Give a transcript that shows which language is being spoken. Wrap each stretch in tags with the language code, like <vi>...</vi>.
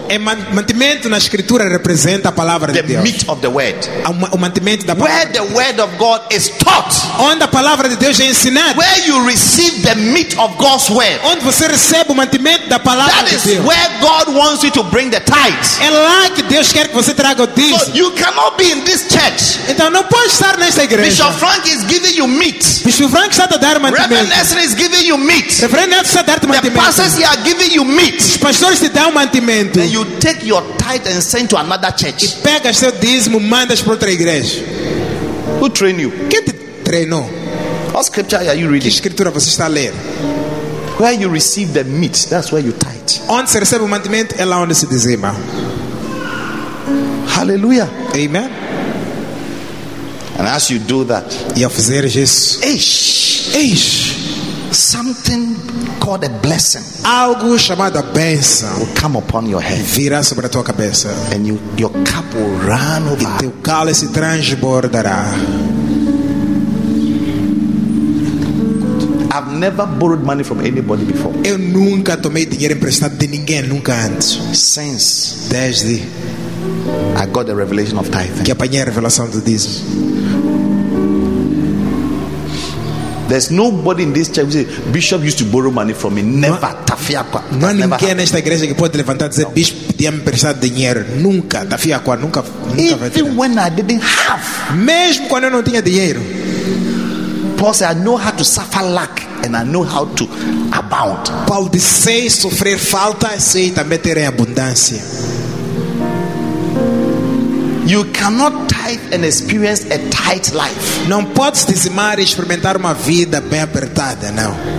<pt>E mantimento na escritura representa a palavra</pt> <en>the</en> <pt>de Deus.</pt> <en>The meat of the word.</en> <pt>O mantimento da palavra.</pt> <en>Where the word of God is taught.</en> <pt>Onde a palavra de Deus é ensinada.</pt> <en>Where you receive the meat of God's word.</en> <pt>Onde você recebe o mantimento da palavra</pt> <en>that</en> <pt>de Deus.</pt> <en>That is where God wants you to bring the tithe.</en> <pt>É lá que Deus quer que você traga o dízimo.</pt> <en>So you cannot be in this church.</en> <pt>Então não pode estar nesta igreja.</pt> <en>Bishop Frank is giving you meat.</en> <pt>Bishop Frank está a dar mantimento.</pt> <en>Reverend Nelson is giving you meat.</en> <pt>Reverend Nelson está a dar mantimento.</pt> <en>The pastors are giving you meat.</en> <pt>Os pastores te dão mantimento.</pt> <en>Then you take your tithe and send to another church.</en> <pt>E pega seu dízimo e manda para outra igreja.</pt> <en>Who trained you?</en> <pt>Quem te treinou?</pt> <en>What scripture are you reading?</en> <pt>Que escritura você está a ler?</pt> <en>Where you receive the meat, that's where you tithe.</en> <pt>Onde se recebe o mantimento é lá onde se dizima.</pt> <en>Hallelujah. Amen. And as you do that,</en> <pt>e ao fazer isso,</pt> <en>eish, something called a blessing,</en> <pt>algo chamado a bênção,</pt> <en>will come upon your head,</en> <pt>virá sobre a tua cabeça,</pt> <en>and your cup will run over,</en> <pt>e teu cálice transbordará.</pt> <en>I've never borrowed money from anybody before.</en> <pt>Eu nunca tomei dinheiro emprestado de ninguém nunca antes.</pt> <en>Since</en> <pt>desde</pt> <en>I got the revelation of tithing.</en> <pt>Que apanhei a revelação do dízimo.</pt> <en>There's nobody in this church who says bishop used to borrow money from me. Never tafia qua.</en> <pt>Não há ninguém nesta igreja que pode levantar e dizer bispo podia me prestar dinheiro. Nunca tafia qua. Nunca.</pt> <en>Even when I didn't have.</en> <pt>Mesmo quando eu não tinha dinheiro.</pt> <en>Paul said, I know how to suffer lack and I know how to abound.</en> <pt>Paulo disse sofrer falta sei também ter em abundância.</pt> <en>You cannot tithe and experience a tight life.</en> <pt>Não podes dizimar e experimentar uma vida bem apertada, não.</pt>